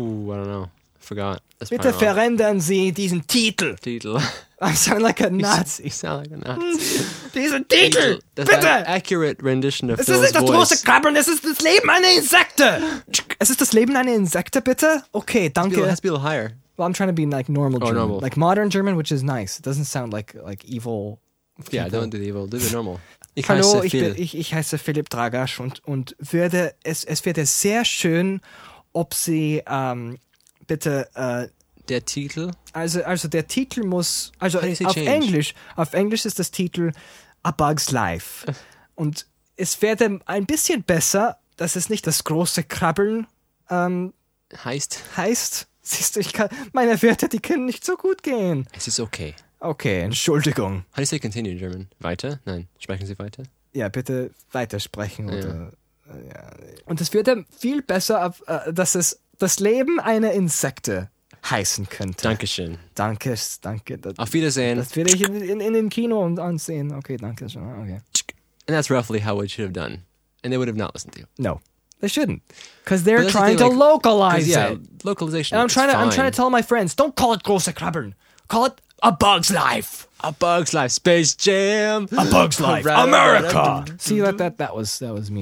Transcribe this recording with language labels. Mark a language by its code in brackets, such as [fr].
[en] Ooh, I don't know. Forgot. That's [de] bitte verändern Sie diesen Titel. Titel. [en] I sound like a Nazi. You sound like a Nazi. [de] Diesen Titel. [en] That's [de] bitte. [en] Accurate rendition of Phil's voice. [de] Das große Krabbeln. Es ist das Leben einer Insekte. Es ist das Leben einer Insekte, bitte. Okay, danke. [en] It has to be a little higher. Well, I'm trying to be like normal German. Oh, normal. Like modern German, which is nice. It doesn't sound like evil. People. Yeah, don't do the evil. Do the normal. [de] Ich heiße Philipp Dragasch und würde es wäre sehr schön, ob Sie bitte der Titel also der Titel muss also auf [en] change? [de] Englisch auf Englisch ist das Titel A Bug's Life und es wäre ein bisschen besser, dass es nicht das große Krabbeln heißt. Siehst du, meine Wörter, die können nicht so gut gehen. Es ist okay. Okay, Entschuldigung. [en] How do you say continue in German? [de] Weiter? Nein, sprechen Sie weiter? Ja, bitte weitersprechen. Ja. Und es wird dann viel besser, dass es das Leben einer Insekte heißen könnte. Dankeschön. Danke, danke. Auf Wiedersehen. Das werde ich in Kino ansehen. Okay, danke schön. Okay. [en] And that's roughly how it should have done. And they would have not listened to you. No. They shouldn't. Because they're trying the thing, to like, localize yeah, it. Localization and I'm trying is to, fine. I'm trying to tell my friends, don't call it Große Krabbern. Call it A Bug's Life. A Bug's Life. Space Jam. A Bug's Life. America. See, that was me.